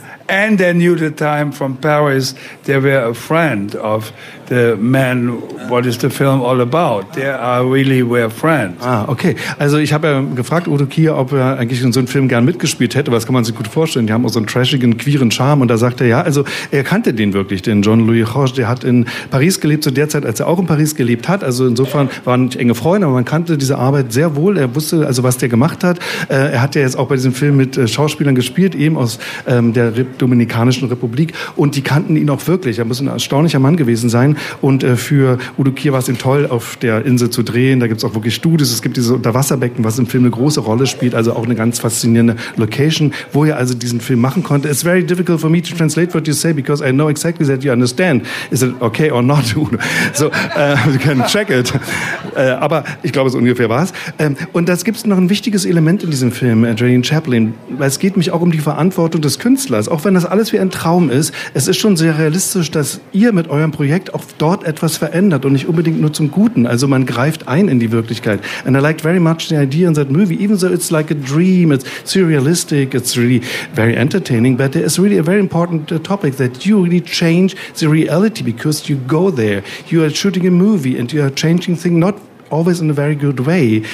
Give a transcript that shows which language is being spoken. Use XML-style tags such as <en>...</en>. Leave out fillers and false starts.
<en>And they knew the time from Paris. They were a friend of the man, what is the film all about. They are really were friends. Ah, okay.</en> <de>Also ich habe ja gefragt, Udo Kier, ob er eigentlich in so einem Film gern mitgespielt hätte. Was kann man sich gut vorstellen? Die haben auch so einen trashigen, queeren Charme. Und da sagt er, ja, also er kannte den wirklich, den Jean-Louis Roche. Der hat in Paris gelebt, zu der Zeit, als er auch in Paris gelebt hat. Also insofern waren nicht enge Freunde, aber man kannte diese Arbeit sehr wohl. Er wusste also, was der gemacht hat. Er hat ja jetzt auch bei diesem Film mit Schauspielern gespielt, eben aus der Dominikanischen Republik, und die kannten ihn auch wirklich. Er muss ein erstaunlicher Mann gewesen sein. Und für Udo Kier war es eben toll, auf der Insel zu drehen. Da gibt es auch wirklich Studios. Es gibt dieses Unterwasserbecken, was im Film eine große Rolle spielt. Also auch eine ganz faszinierende Location, wo er also diesen Film machen konnte.</de> <en>It's very difficult for me to translate what you say, because I know exactly that you understand. Is it okay or not, Udo? So, you can check it.</en> <de>Aber ich glaube, so ungefähr war es. Und das gibt es noch ein wichtiges Element in diesem Film, Adrian Chaplin. Weil es geht mich auch um die Verantwortung des Künstlers. Auch wenn das alles wie ein Traum ist, es ist schon sehr realistisch, dass ihr mit eurem Projekt auch dort etwas verändert und nicht unbedingt nur zum Guten. Also man greift ein in die Wirklichkeit.</de> <en>And I liked very much the idea in that movie, even though it's like a dream, it's surrealistic, it's really very entertaining, but there is really a very important topic that you really change the reality because you go there. You are shooting a movie and you are changing things not always in a very good way.</en>